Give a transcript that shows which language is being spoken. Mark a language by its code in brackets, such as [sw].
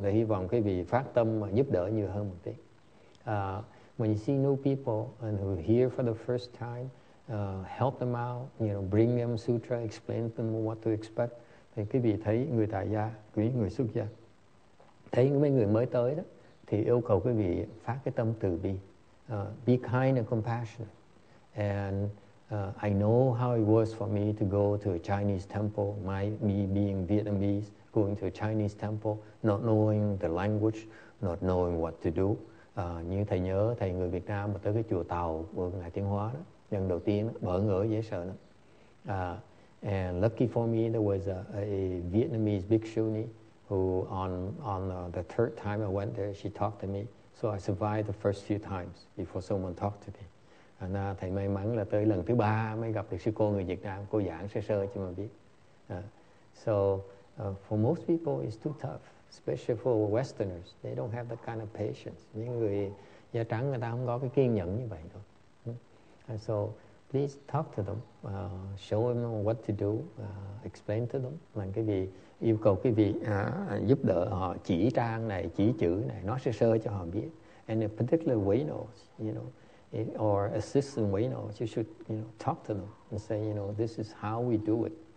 [vi] Ta hy vọng quý vị phát tâm mà giúp đỡ nhiều hơn một tí. [en] When you see new people and who are here for the first time, help them out, you know, bring them sutra, explain to them what to expect. [vi] Thì quý vị thấy người tại gia, quý người xuất gia, thấy mấy người mới tới đó, thì yêu cầu quý vị phát cái tâm từ bi. [en] Be kind and compassionate. And I know how it was for me to go to a Chinese temple, me being Vietnamese, going to a Chinese temple, not knowing the language, not knowing what to do. [vi] Như thầy nhớ thầy người Việt Nam mà tới cái chùa Tàu của Ngài Tiến Hóa đó, lần đầu tiên đó, bỡ ngỡ dễ sợ lắm. [en] And lucky for me there was a Vietnamese bhikshuni who on the third time I went there she talked to me, so I survived the first few times before someone talked to me. [vi] And thầy may mắn là tới lần thứ ba mới gặp được sư cô người Việt Nam, cô giảng sơ sơ cho mà biết. [en] So for most people it's too tough. Especially for Westerners, they don't have that kind of patience. [vi] Những người da trắng người ta không có cái kiên nhẫn như vậy thôi. [en] And so, please talk to them, show them what to do, explain to them. [vi] Là cái gì yêu cầu cái gì giúp đỡ họ chỉ trang này, chỉ chữ này, nói sơ sơ cho họ biết. [en] And particularly Wainos, you know, or assistant Wainos, you should, you know, talk to them and say, you know, this is how we do it.